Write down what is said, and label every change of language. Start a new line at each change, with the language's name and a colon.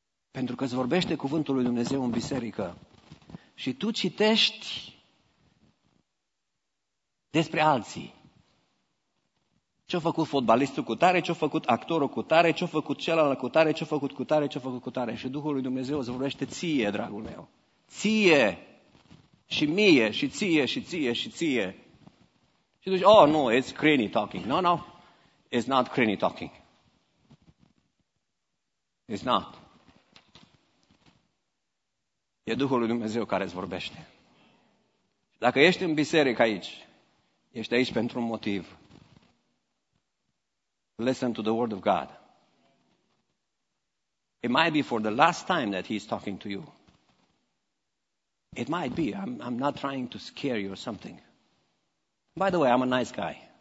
Romanian: Pentru că îți vorbește cuvântul lui Dumnezeu în biserică. și tu citești despre alții. Ce-a făcut fotbalistul cu tare, ce-a făcut actorul cu tare, ce-a făcut celălalt cu tare, ce-a făcut cu tare, ce-a făcut cu tare. Și Duhul lui Dumnezeu îți vorbește ție, dragul meu. Ție și mie și ție și ție și ție. Și tu zici,
English: oh, no, it's cranny talking. No, no, it's not cranny talking. It's not.
Romanian: E Duhul lui Dumnezeu care îți vorbește. Dacă ești în biserică aici, ești aici pentru un motiv.
English: Listen to the word of God. It might be for the last time that he's talking to you. It might be. I'm not trying to scare you or something. By the way, I'm a nice guy.